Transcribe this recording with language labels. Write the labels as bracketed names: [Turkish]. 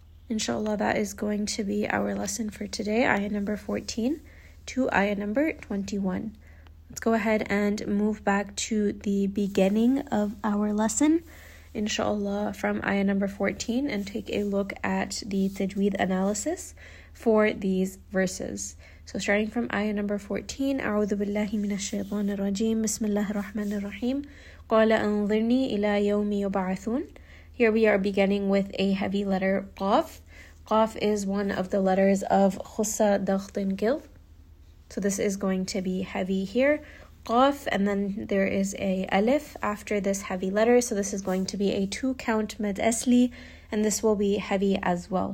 [English] Inshallah, that is going to be our lesson for today, ayah number 14 to ayah number 21. Let's go ahead and move back to the beginning of our lesson, inshallah, from ayah number 14 and take a look at the tajweed analysis for these verses. So starting from ayah number 14, [Arabic] أعوذ بالله من الشيطان الرجيم بسم الله الرحمن الرحيم قال أنظرني إلى يوم يبعثون. [English] Here we are beginning with a heavy letter, Qaf. Qaf is one of the letters of Khussa, Dakht, and Gilf. So this is going to be heavy here. Qaf, and then there is a Alif after this heavy letter. So this is going to be a two-count Mad Asli, and this will be heavy as well.